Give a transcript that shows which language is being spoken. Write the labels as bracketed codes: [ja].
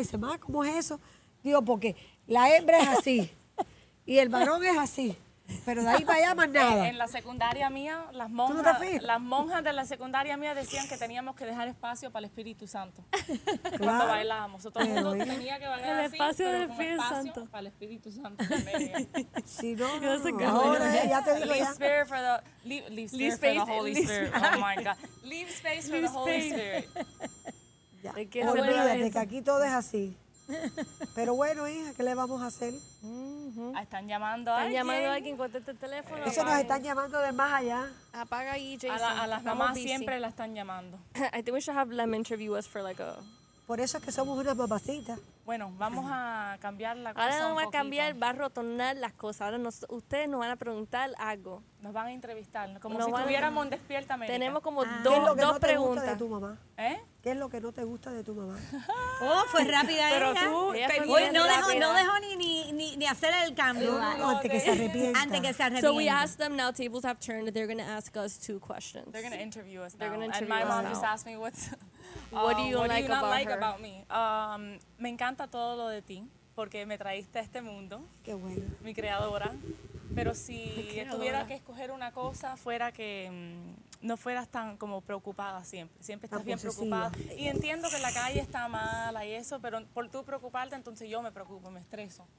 [es] Y dice, ¿cómo es eso? Digo, porque la hembra es así y el varón es así. Pero de ahí para allá más nada. En la secundaria mía, las monjas de la secundaria mía decían que teníamos que dejar espacio para el Espíritu Santo. Claro. Cuando bailábamos. O sea, todo el mundo tenía que bailar el así, espacio del Espíritu Santo. Para el Espíritu Santo. Sí, no. Ahora ya te digo [en] leave spare for the, leave space for the Holy Spirit. Oh, my God. Leave space for the Holy Spirit. [es] Olvídate, que aquí todo es así. Pero bueno, hija, ¿qué le vamos a hacer? Están llamando a alguien. Están llamando a alguien, contesta el teléfono. Eso nos están llamando de más allá. Apaga ahí, Jason. A las mamás siempre la están llamando. [en] I think we should have them interview us for like a... [es] Por eso es que somos unas mamacitas. Bueno, vamos a cambiar la cosa. Ahora vamos a cambiar, va a retornar las cosas. Ahora ustedes nos van a preguntar algo. Nos van a entrevistar, como nos si estuviéramos en Despierta América. Tenemos como dos preguntas. ¿Qué es lo que no te gusta de tu mamá? ¿Eh? ¿Qué es lo que no te gusta de tu mamá? Oh, fue rápida pero ella. Pero tú, no dejó ni hacer el cambio. Antes que se arrepienta. [en] So we asked them, now tables have turned, they're going to ask us two questions. They're going to interview us now. And my mom just asked me, what do you not like about me? [es] Me encanta todo lo de ti, porque me traíste a este mundo. Qué bueno. Mi creadora. Pero si tuviera que escoger una cosa, fuera que no fueras tan como preocupada siempre. Siempre estás bien preocupada. Y entiendo que la calle está mala y eso, pero por tú preocuparte, entonces yo me preocupo, me estreso.